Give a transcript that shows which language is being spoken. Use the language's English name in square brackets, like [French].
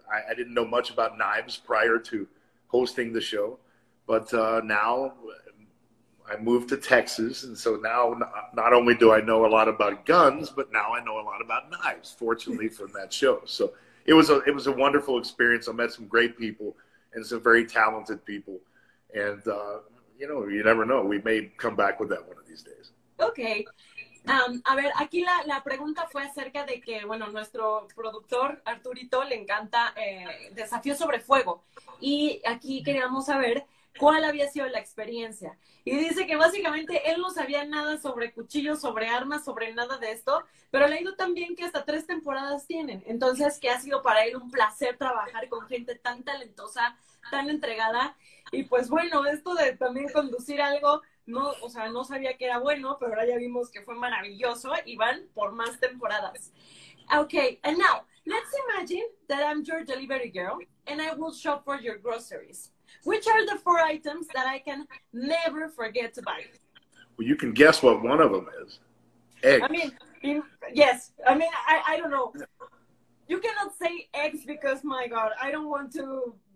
[English] I didn't know much about knives prior to hosting the show, but now I moved to Texas, and so now not only do I know a lot about guns, but now I know a lot about knives, fortunately, from that show. So it was a wonderful experience. I met some great people. and some very talented people. And, you know, you never know. We may come back with that one of these days. Okay. [Spanish] A ver, aquí la pregunta fue acerca de que, bueno, nuestro productor Arturito le encanta Desafío sobre Fuego. Y aquí queríamos saber cuál había sido la experiencia. Y dice que básicamente él no sabía nada sobre cuchillos, sobre armas, sobre nada de esto, pero le ha ido tan bien que hasta 3 temporadas tienen. Entonces, que ha sido para él un placer trabajar con gente tan talentosa, tan entregada. Y pues bueno, esto de también conducir algo... No, o sea, no sabía que era bueno, pero ahora ya vimos que fue maravilloso y van por más temporadas. [English] Okay, and now, let's imagine that I'm your delivery girl and I will shop for your groceries. Which are the 4 items that I can never forget to buy? Well, you can guess what one of them is. Eggs. I mean, yes, I mean, I don't know. You cannot say eggs because, my God, I don't want to...